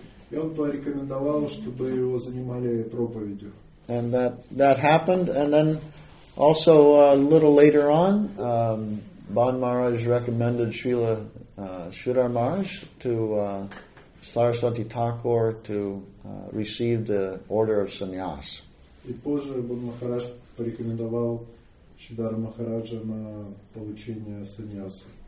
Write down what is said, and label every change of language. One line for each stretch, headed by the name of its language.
Russian: И он порекомендовал, чтобы его занимали проповедью.
English: And that happened, and then also a little later on, Ban Maharaj recommended Srila Sridhar Maharaj to Saraswati Thakur to receive the order of sannyas.
Russian: И позже Бан Махарадж порекомендовал Шридхара Махараджа на получение саньяса.